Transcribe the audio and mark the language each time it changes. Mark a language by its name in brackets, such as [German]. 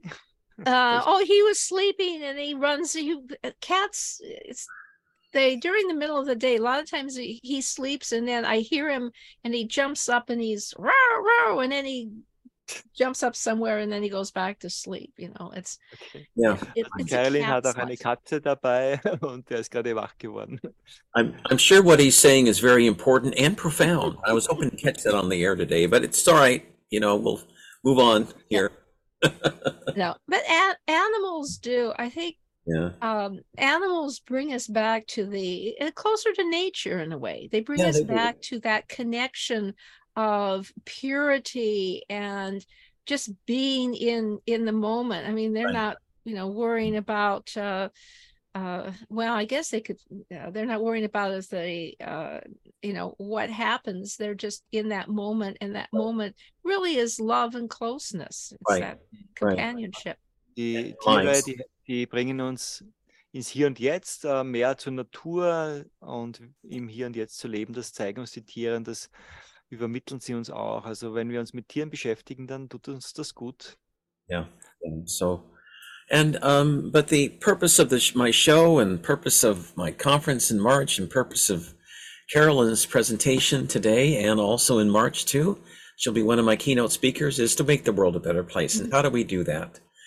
[English] He was sleeping, and he runs. Cats, during the middle of the day, a lot of times he sleeps, and then I hear him, and he jumps up, and he's row, row, and then he jumps up somewhere, and then he goes back to sleep. You know, it's okay. Yeah. [German] Kerlin hat auch eine Katze dabei, und der ist gerade wach geworden. [English] I'm sure what he's saying is very important and profound. I was hoping to catch that on the air today, but it's all right. You know, we'll move on here. Yeah. No, but animals do. I think animals bring us back to the closer to nature in a way. They bring us back to that connection of purity and just being in the moment. I mean, they're not, you know, worrying about I guess they could, they're not worrying about as they, you know, what happens. They're just in that moment, and that moment really is love and closeness. It's that companionship. [German] Die bringen uns ins Hier und Jetzt, mehr zur Natur und im Hier und Jetzt zu leben. Das zeigen uns die Tiere und das übermitteln sie uns auch. Also wenn wir uns mit Tieren beschäftigen, dann tut uns das gut. Ja, so. [English] And but the purpose of my show and purpose of my conference in March and purpose of Carolyn's presentation today and also in March too, she'll be one of my keynote speakers, is to make the world a better place. And how do we do that?